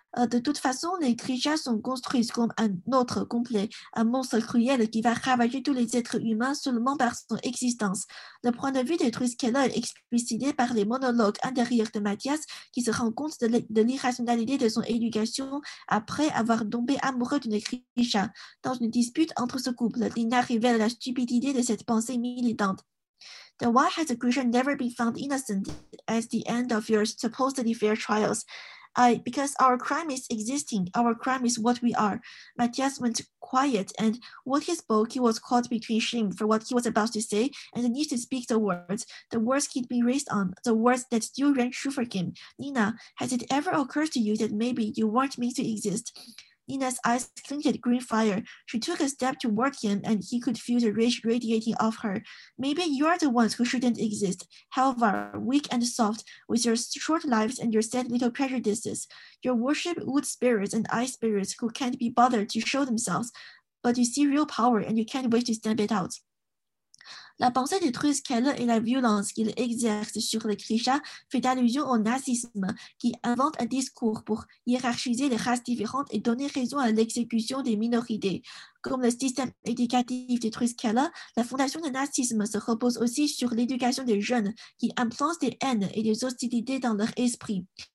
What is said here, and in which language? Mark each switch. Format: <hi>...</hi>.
<fr>De toute façon, les Krisha sont construits comme un autre complet, un monstre cruel qui va ravager tous les êtres humains seulement par son existence. Le point de vue des Triskelers est explicité par les monologues intérieurs de Mathias qui se rend compte de l'irrationalité de son éducation après avoir tombé amoureux d'une Krisha. Dans une dispute entre ce couple, Lina révèle la stupidité de cette pensée militante.</fr> <en>Then why has a Krisha never been found innocent at the end of your supposedly fair trials? Because our crime is existing, our crime is what we are. Mathias went quiet, and when he spoke, he was caught between shame for what he was about to say and the need to speak the words he'd been raised on, the words that still rang true for him. Nina, has it ever occurred to you that maybe you weren't meant to exist? Nina's eyes glinted green fire. She took a step toward him, and he could feel the rage radiating off her. Maybe you are the ones who shouldn't exist, however weak and soft, with your short lives and your sad little prejudices. You worship wood spirits and ice spirits who can't be bothered to show themselves, but you see real power and you can't wait to stamp it out.</en> <fr>La pensée des Triskelers et la violence qu'ils exercent sur les Krisha fait allusion au nazisme qui invente un discours pour hiérarchiser les races différentes et donner raison à l'exécution des minorités. Comme le système éducatif des Triskelers, la fondation du nazisme se repose aussi sur l'éducation des jeunes qui implantent des haines et des hostilités dans leur esprit.</fr>